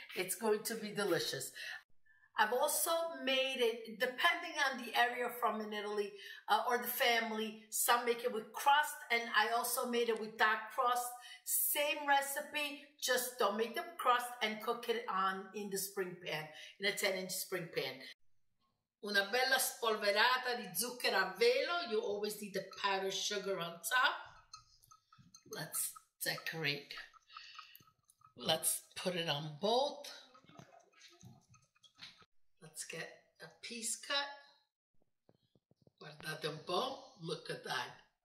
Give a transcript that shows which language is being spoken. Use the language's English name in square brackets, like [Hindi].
[English] It's going to be delicious. I've also made it, depending on the area from in Italy or the family, some make it with crust, and I also made it with dark crust. Same recipe, just don't make the crust and cook it on in the spring pan, in a 10-inch spring pan. [Italian] Una bella spolverata di zucchero a velo. [English] You always need the powdered sugar on top. Let's decorate. Let's put it on both. Let's get a piece cut. [Italian] Guardate un po', [English] look at that.